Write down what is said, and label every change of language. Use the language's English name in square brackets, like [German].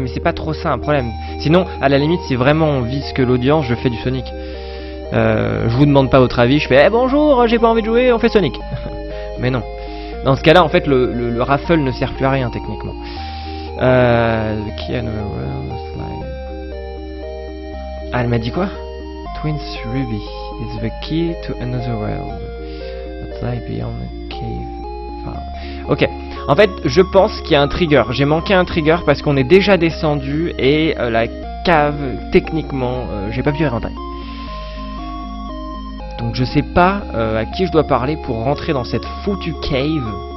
[French] Mais c'est pas trop ça un problème. Sinon, à la limite, si vraiment on vise que l'audience, je fais du Sonic. Je vous demande pas votre avis, je fais hey, bonjour, j'ai pas envie de jouer, on fait Sonic. Mais non. Dans ce cas-là, en fait, le raffle ne sert plus à rien, techniquement. Qui a nouvelle world slide? Ah, elle m'a dit quoi? [English] Prince Ruby is the key to another world that lies beyond the cave. [French] Enfin, ok. En fait, je pense qu'il y a un trigger. J'ai manqué un trigger parce qu'on est déjà descendu et la cave, techniquement, j'ai pas pu rentrer. Donc je sais pas à qui je dois parler pour rentrer dans cette foutue cave.